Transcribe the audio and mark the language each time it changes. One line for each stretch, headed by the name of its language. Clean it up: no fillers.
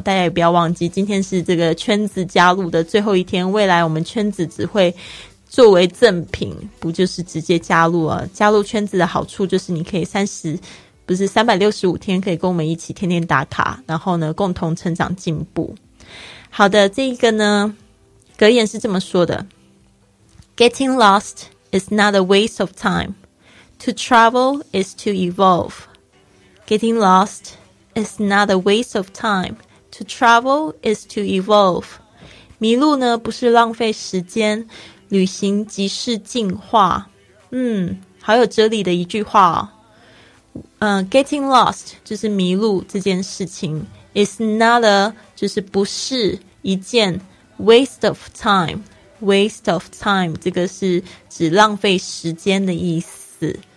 Chinese: 大家也不要忘记今天是这个圈子加入的最后一天，未来我们圈子只会作为赠品，不就是直接加入啊。加入圈子的好处就是你可以365天可以跟我们一起天天打卡，然后呢共同成长进步。好的，这一个呢格言是这么说的，
English: Getting lost is not a waste of time. To travel is to evolve. Getting lost is not a waste of time. To travel is to evolve.
Chinese: 迷路呢不是浪费时间，旅行即是进化。嗯，好有哲理的一句话哦。
English: Getting lost
Chinese: 就是迷路这件事情，
English: is not a
Chinese: 就是不是一件
English: waste of time, waste of time,
Chinese: 这个是指浪费时间的意思。